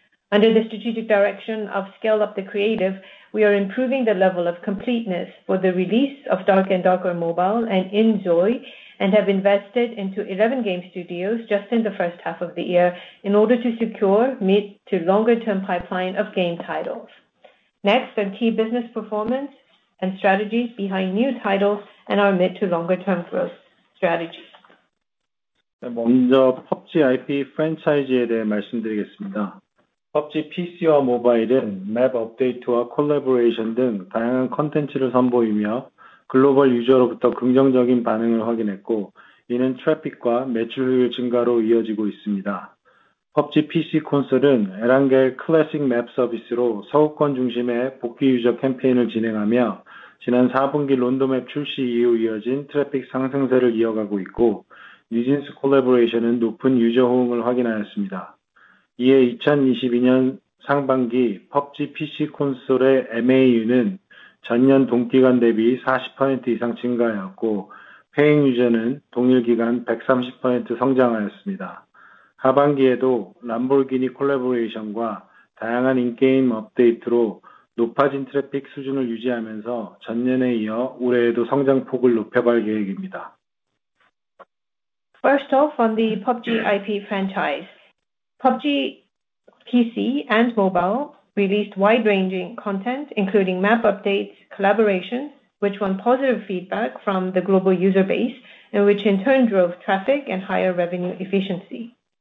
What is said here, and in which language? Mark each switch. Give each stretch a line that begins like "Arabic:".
English: Under the strategic direction of Scale Up the Creative, we are improving the level of completeness for the release of Darker & Darker Mobile and inZOI, and have invested into 11 game studios just in the first half of the year in order to secure mid to longer term pipeline of game titles. Next, on key business performance and strategies behind new titles and our mid to longer term growth strategies.
Korean: 먼저 PUBG IP 프랜차이즈에 대해 말씀드리겠습니다. PUBG PC와 모바일은 맵 업데이트와 콜라보레이션 등 다양한 콘텐츠를 선보이며 글로벌 유저로부터 긍정적인 반응을 확인했고, 이는 트래픽과 매출 효율 증가로 이어지고 있습니다. PUBG PC 콘솔은 에란겔 클래식 맵 서비스로 서구권 중심의 복귀 유저 캠페인을 진행하며, 지난 4분기 론드맵 출시 이후 이어진 트래픽 상승세를 이어가고 있고, 뉴진스 콜라보레이션은 높은 유저 호응을 확인하였습니다. 이에 2022년 상반기 PUBG PC 콘솔의 MAU는 전년 동기간 대비 40% 이상 증가하였고, paying user는 동일 기간 130% 성장하였습니다. 하반기에도 람보르기니 콜라보레이션과 다양한 인게임 업데이트로 높아진 트래픽 수준을 유지하면서 전년에 이어 올해에도 성장폭을 높여갈 계획입니다.
English: First off, on the PUBG IP franchise, PUBG PC and mobile released wide-ranging content, including map updates, collaborations, which won positive feedback from the global user base, and which in turn drove traffic and higher revenue efficiency.